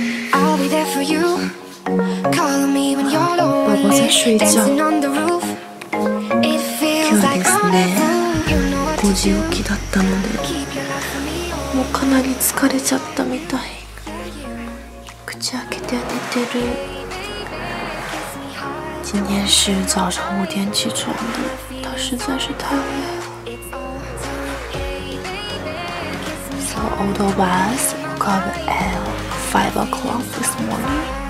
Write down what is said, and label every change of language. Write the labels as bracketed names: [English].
[Japanese] パパさん睡ちゃん今日ですね5時起きだったのでもうかなり疲れちゃったみたい。口開けて寝てる。 [Chinese] 今天是早上5点起床的，他实在是太累了。 [English] On the bus, got at 5 o'clock this morning.